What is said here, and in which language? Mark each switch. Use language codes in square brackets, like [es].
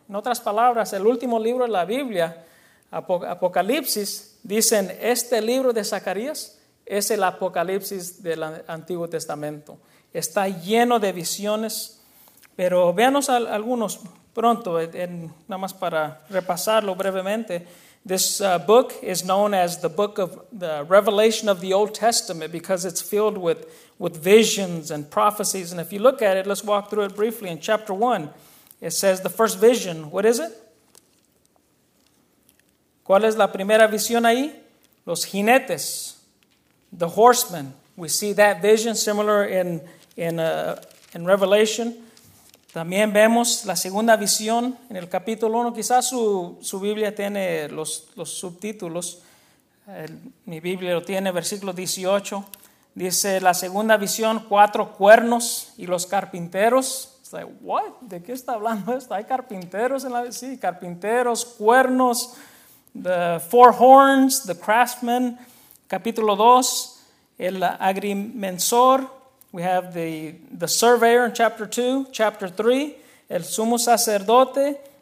[es] En otras palabras, el último libro de la Biblia, Apocalipsis, dicen, este libro de Zacarías es el Apocalipsis del Antiguo Testamento. está lleno de visiones. Pero véanos algunos pronto, nada más para repasarlo brevemente. [en] This book is known as the book of the Revelation of the Old Testament because it's filled with visions and prophecies. And if you look at it, let's walk through it briefly. In chapter 1, it says the first vision. What is it? [es] ¿Cuál es la primera visión ahí? Los jinetes, [en] the horsemen. We see that vision similar in Revelation. [es] También vemos la segunda visión en el capítulo 1. Quizás su Biblia tiene los subtítulos. Mi Biblia lo tiene, versículo 18. Dice la segunda visión, cuatro cuernos y los carpinteros. [en] It's like, what? [es] ¿De qué está hablando esto? ¿Hay carpinteros en la visión? Sí, carpinteros, cuernos, [en] the four horns, the craftsmen. [es] Capítulo 2, el agrimensor. [en] We have the surveyor in chapter 2. Chapter 3, [es] el sumo sacerdote.